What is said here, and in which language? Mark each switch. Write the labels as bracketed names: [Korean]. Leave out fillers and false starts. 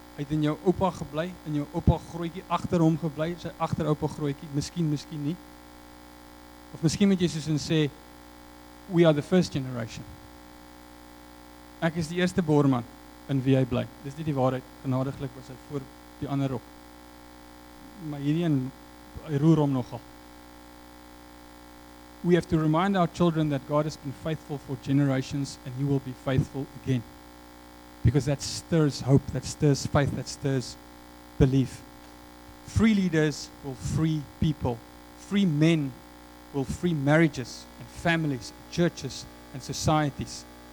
[Afrikaans] Hy het in jou oupa gebly, in jou oupa grootjie agter hom gebly, sy agteroupa grootjie, miskien nie. Of miskien moet jy soos en sê, [English] we are the first generation. [Afrikaans] Ek is die eerste boerman in wie hy bly. Dis nie die waarheid. Genadiglik was hy voor die ander op. Maar hierdie een roer hom nogal. [English] We have to remind our children that God has been faithful for generations and he will be faithful again. Because that stirs hope, that stirs faith, that stirs belief. Free leaders will free people. Free men will free marriages and families, churches and societies.